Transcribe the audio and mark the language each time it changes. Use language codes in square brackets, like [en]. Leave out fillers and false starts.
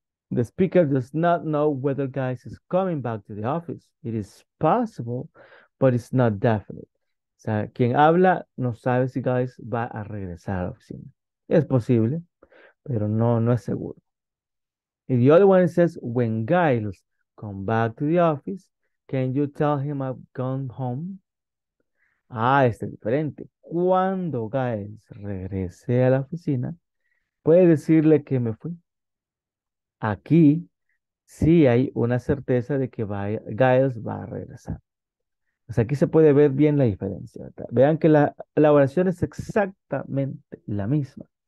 [en] The speaker does not know whether guys is coming back to the office. It is possible, but it's not definite. [es] O sea, quien habla no sabe si guys va a regresar a la oficina. Es posible, pero no es seguro. [en] Y the other one says, when guys come back to the office, can you tell him I've gone home? [es] Ah, este es diferente. Cuando guys regrese a la oficina, puede decirle que me fui. Aquí sí hay una certeza de que Giles va a regresar. O sea, aquí se puede ver bien la diferencia. Vean que la oración es exactamente la misma.